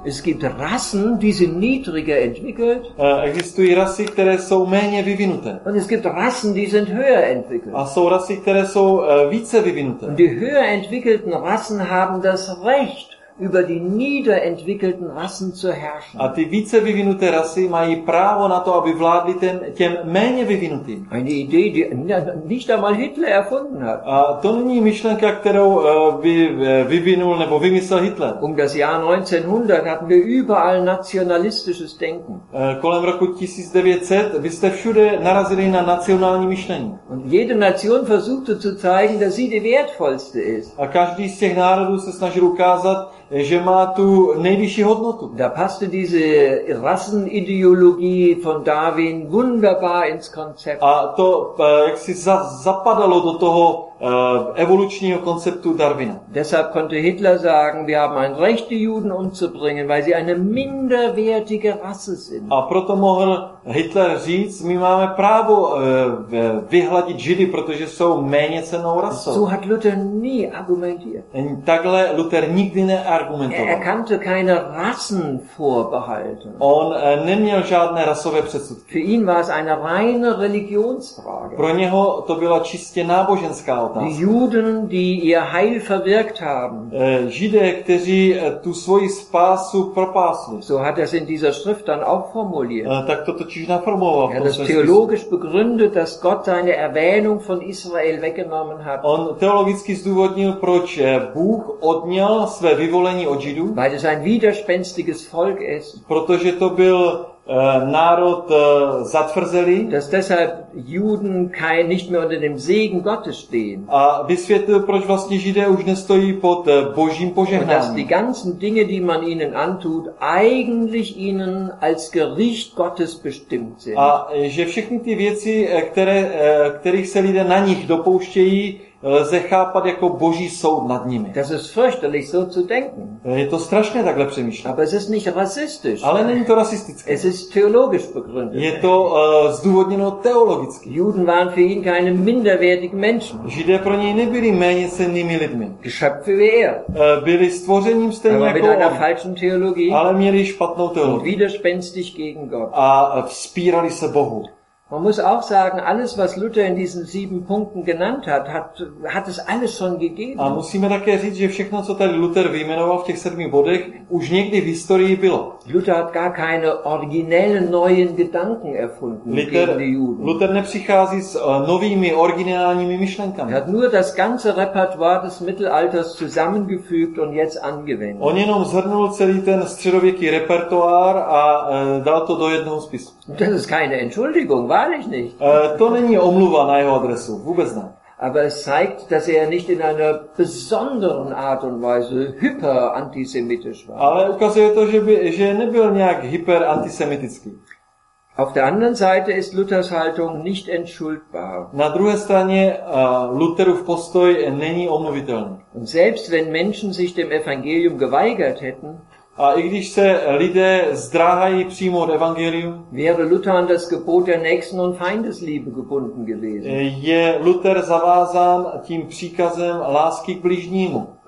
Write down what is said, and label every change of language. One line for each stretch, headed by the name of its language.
German: Es gibt Rassen, die sind niedriger entwickelt.
Czech: Existují rasy, které jsou méně vyvinuté.
German: Und es gibt Rassen, die sind höher entwickelt.
Czech: A jsou rasy, které jsou více vyvinuté.
German: Und die höher entwickelten Rassen haben das Recht, über die niederentwickelten Rassen zu herrschen.
Czech: A ty více vyvinuté rasy mají právo na to, aby vládli těm méně vyvinutým.
German: Eine Idee, die nicht einmal Hitler erfunden hat.
Czech: A to není myšlenka, kterou by vyvinul nebo vymyslel Hitler.
German: Um das Jahr 1900 hatten wir überall nationalistisches Denken.
Czech: Kolem roku 1900 byste všude narazili na nationální myšlení.
German: Und jede Nation versuchte zu zeigen, dass sie die wertvollste ist.
Czech: A každý z těch národů se snažil ukázat, že má tu nejvyšší hodnotu.
German: Da passte diese Rassenideologie von Darwin wunderbar ins Konzept.
Czech: A to jak si zapadalo do toho evolučního konceptu Darwina.
German: Deshalb konnte Hitler sagen, wir haben ein Recht, die Juden umzubringen, weil sie eine minderwertige Rasse sind.
Czech: A proto mohl Hitler říct, my máme právo vyhladit Židy, protože jsou méněcennou rasou.
German: So hat Luther nie argumentiert.
Czech: Takhle Luther nikdy neargumentoval.
German: Er kannte keine Rassenvorbehalte.
Czech: On neměl žádné rasové předsudky.
German: Für ihn war es eine reine Religionsfrage.
Czech: Pro něho to byla čistě náboženská otázka.
German: Die Juden, die ihr Heil verwirkt haben.
Czech: Židé, kteří tu svoji spásu propásli.
German: So hat er es in dieser Schrift dann auch formuliert.
Czech: Tak to totiž naformuloval.
German: Er hat es theologisch begründet, dass Gott seine Erwähnung von Israel weggenommen hat.
Czech: On teologicky zdůvodnil, proč Bůh odňal své vyvolení od Židů.
German: Weil es ein widerspenstiges Volk ist.
Czech: Protože to byl národ zatvrzelý.
German: Dass deshalb Juden kein nicht mehr unter dem Segen Gottes stehen.
Czech: A vysvětlil, proč vlastně Židé už nestojí pod Božím požehnáním.
German: Dass die ganzen Dinge, die man ihnen antut, eigentlich ihnen als Gericht Gottes bestimmt sind.
Czech: A že všechny ty věci, kterých se lidé na nich dopouštějí, lze chápat jako Boží soud nad nimi.
German: Das ist fürchterlich, so zu denken.
Czech: Je to strašné takhle přemýšlet.
German: Aber es ist nicht rassistisch.
Czech: Ale není to rasistické.
German: Es ist theologisch begründet.
Czech: Je to zdůvodněno teologicky.
German: Juden waren für ihn keine minderwertigen Menschen.
Czech: Židé pro něj nebyli méněcennými lidmi.
German: Geschöpfe wie er.
Czech: Byli stvořením stejně jako on.
German: Aber mit einer falschen Theologie.
Czech: Ale měli špatnou teologii.
German: Und widerspenstig gegen Gott.
Czech: A vzpírali se Bohu.
German: Man muss auch sagen, alles, was Luther in diesen sieben Punkten genannt hat, hat es alles schon gegeben.
Czech: A musíme také říct, že všechno, co tady Luther vyjmenoval v těch sedmi bodech, už někdy v historii bylo.
German: Luther hat gar keine originellen neuen Gedanken erfunden gegen die Juden.
Czech: Luther nepřichází s novými originálními myšlenkami.
German: Er hat nur das ganze Repertoire des Mittelalters zusammengefügt und jetzt angewendet.
Czech: On jenom zhrnul celý ten středověký repertoár a dal to do jednoho spisu.
German: Das ist keine Entschuldigung. Wahrlich nicht.
Czech: To není omluva na jeho adresu, vůbec ne.
German: Aber es zeigt, dass er nicht in einer besonderen Art und Weise hyperantisemitisch war.
Czech: Ale ukazuje to, že nebyl nějak hyperantisemitický.
German: Auf der anderen Seite ist Luthers Haltung nicht entschuldbar.
Czech: Na druhé straně Lutherův postoj není omluvitelný.
German: Und selbst wenn Menschen sich dem Evangelium geweigert hätten,
Czech: a i když se lidé zdráhají přijmout evangelium,
German: wäre Luther an das Gebot der Nächsten- und Feindesliebe gebunden gewesen.
Czech: Je Luther zavázán tím příkazem lásky k bližnímu.